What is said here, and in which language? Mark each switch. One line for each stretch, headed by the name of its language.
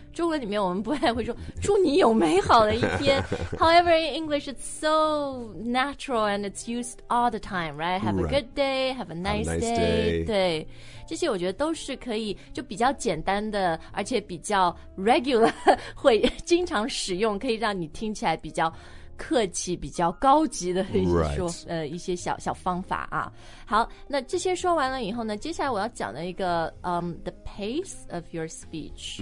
Chinese: 中文里面我们不太会说祝你有美好的一天。
English: However, in English, it's so natural and it's used all the time, right? Have a good day, have a nice day.
Chinese: 对。这些我觉得都是可以就比较简单的而且比较 regular 会经常使用可以让你听起来比较客气比较高级的说、
English: right.
Chinese: 一些小方法啊好那这些说完了以后呢接下来我要讲的一个、
English: the pace of your speech、